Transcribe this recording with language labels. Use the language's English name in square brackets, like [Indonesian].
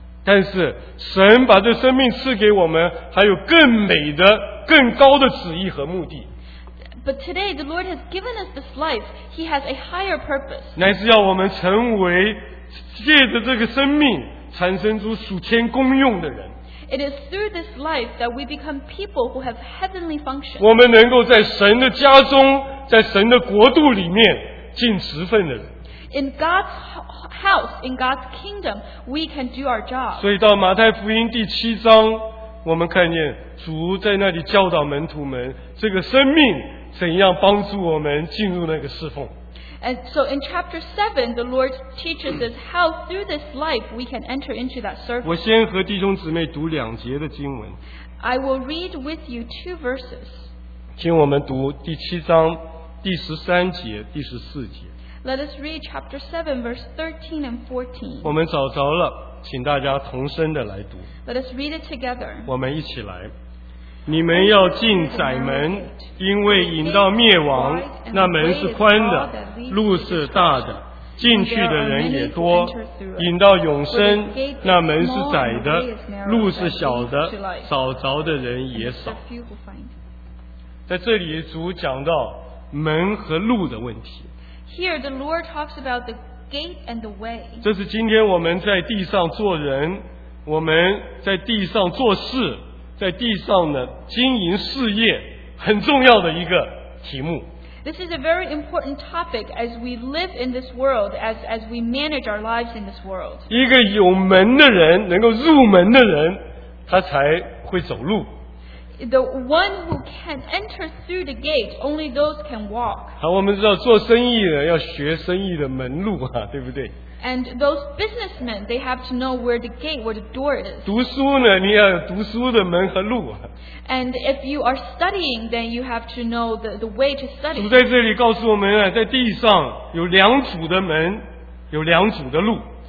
[Chinese] 但是神把这生命赐给我们，还有更美的、更高的旨意和目的。 [English] But today the Lord has given us this life. He has a higher purpose. [Chinese] 乃是要我们成为借着这个生命产生出属天功用的人。 [English] It is through this life that we become people who have heavenly function. [Chinese] 我们能够在神的家中，在神的国度里面尽职分的人。 [English] In God's house, in God's kingdom, we can do our job. [Chinese] 所以到马太福音第七章，我们看见主在那里教导门徒们这个生命。怎样帮助我们进入那个侍奉？ [English] And so in chapter 7, the Lord teaches us how through this life we can enter into that service. [Chinese] 我先和弟兄姊妹读两节的经文。 [English] I will read with you 2 verses. [Chinese] 请我们读第七章第十三节、第十四节。 [English] Let us read chapter 7, verse 13 and 14. [Chinese] 我们找着了，请大家同声的来读。 [English] Let us read it together. [Chinese] 我们一起来。你们要进窄门，因为引到灭亡，那门是宽的，路是大的，进去的人也多，引到永生，那门是窄的，路是小的，找着的人也少。在这里主讲到门和路的问题。 [English] Here the Lord talks about the gate and the way. [Chinese] 这是今天我们在地上做人，我们在地上做事，在地上呢经营事业很重要的一个题目。 [English] This is a very important topic as we live in this world, as we manage our lives in this world. [Chinese] 一个有门的人，能够入门的人，他才会走路。 [English] The one who can enter through the gate, only those can walk. [Chinese] 好，我们知道做生意的要学生意的门路啊，对不对？ [English] And those businessmen, they have to know where the gate, where the door is. [Chinese] 读书呢，你要有读书的门和路。 [English] And if you are studying, then you have to know the way to study. [Chinese] 主在这里告诉我们啊，在地上有两组的门，有两组的路。